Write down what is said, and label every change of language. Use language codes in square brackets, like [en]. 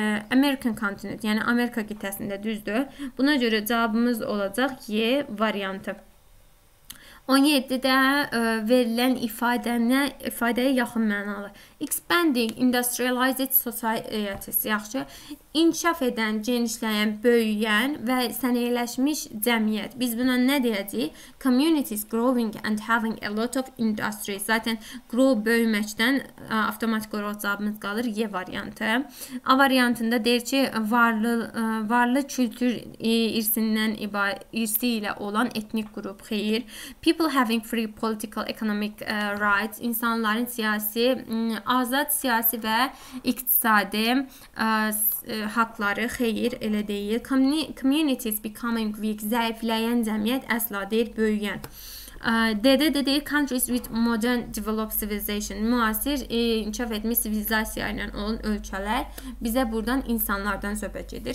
[az] American continent, yəni Amerika qitəsində düzdür. Buna görə cavabımız olacaq Y variantı. 17-də verilən ifadəyə yaxın mənalı. Expanding industrialized societies, yaxşı, inkişaf edən, genişləyən, böyüyən və sənayeləşmiş cəmiyyət. Biz buna nə deyəcəyik? [en] Communities growing and having a lot of industry. [az] Zaten grow böyüməkdən avtomatik olaraq cavabımız qalır Y variantı. A variantında deyir ki, varlı kültür irsindən irsi ilə olan etnik qrup, xeyir. [en] People having free political economic rights. [az] İnsanların siyasi, azad siyasi və iqtisadi haqları, xeyir, elə deyil. Communities becoming weak, zəifləyən cəmiyyət əsla deyil, böyüyən. Dede dediği countries with modern developed civilization, müasir inkişaf etmiş sivilizasyonla olan ölkələr bizə buradan insanlardan söhbət gedir.